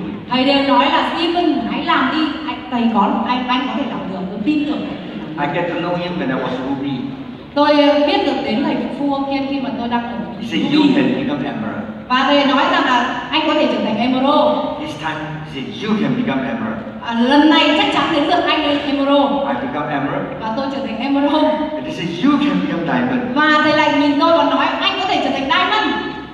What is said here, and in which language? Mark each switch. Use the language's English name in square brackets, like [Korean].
[Vietnamese] Thầy đều nói là Steven hãy làm đi, thầy có anh có thể làm được, cứ tin tưởng. [English] I get to know him when I was Ruby. [Vietnamese] Tôi biết được đến thầy Phu Ông Thiên khi mà tôi đang ở [English] Ruby. You can become emperor. [Vietnamese] Và thầy nói rằng là anh có thể trở thành emerald. [English] This time, he said, you can become emerald. [Vietnamese] Lần này chắc chắn đến lượt anh ấy emerald. [English] I become emerald. [Vietnamese] Và tôi trở thành emerald. [English] He said, you can become diamond. [Vietnamese] Và thầy lại nhìn tôi và nói anh có thể trở thành diamond.